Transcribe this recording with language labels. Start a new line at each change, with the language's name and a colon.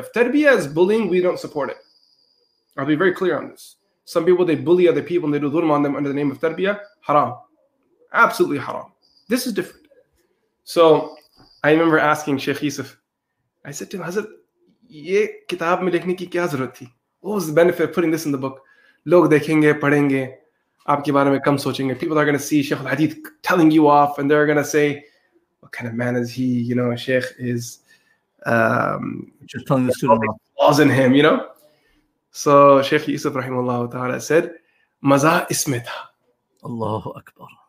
English: If tarbiyah is bullying, we don't support it. I'll be very clear on this. Some people, they bully other people, and they do dhulm on them under the name of tarbiyah. Haram. Absolutely haram. This is different. So I remember asking Sheikh Yusuf, I said to him,
Urdu: Hazrat, ye kitab mein likhne ki kya zarurat thi?
English: What was the benefit of putting this in the book?
Urdu: لوگ دیکھیں گے، پڑھیں گے، آپ کے بارے میں کم سوچیں گے.
English: People are going to see Sheikh al-Hadith telling you off, and they're going to say, what kind of man is he? You know, Sheikh is just telling the student flaws in him, you know? So Sheikh Yusuf rahimahullah ta'ala said, maza ismita. Allahu Akbar.